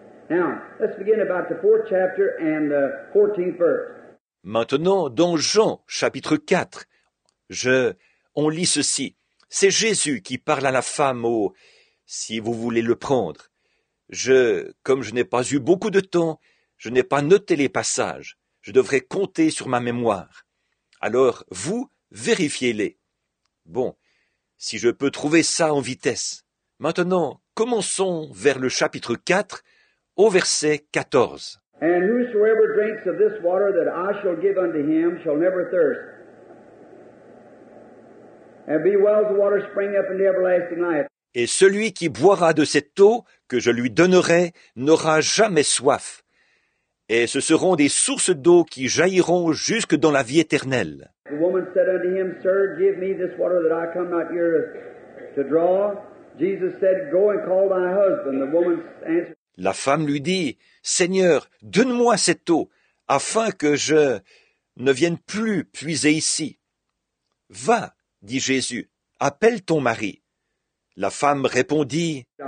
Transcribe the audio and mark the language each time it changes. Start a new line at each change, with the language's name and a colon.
English: Now, let's begin about the fourth chapter and the 14th verse.
French: Maintenant, dans Jean, chapitre 4, on lit ceci. C'est Jésus qui parle à la femme au « si vous voulez le prendre ». Comme je n'ai pas eu beaucoup de temps, je n'ai pas noté les passages. Je devrais compter sur ma mémoire. Alors, vous, vérifiez-les. Bon, si je peux trouver ça en vitesse. Maintenant, commençons vers le chapitre 4, au verset 14.
English: « And whosoever drinks of this water that I shall give unto him shall never thirst. » And be wells of water spring up into everlasting life.
French: Et celui qui boira de cette eau que je lui donnerai n'aura jamais soif. Et ce seront des sources d'eau qui jailliront jusque dans la vie éternelle.
English: The woman said unto him, Sir, give me this water that I come not here to draw. Jesus said, Go and call thy husband. The woman answered.
French: La femme lui dit, Seigneur, donne-moi cette eau afin que je ne vienne plus puiser ici. Va. « Dit Jésus, appelle ton mari. » La femme répondit,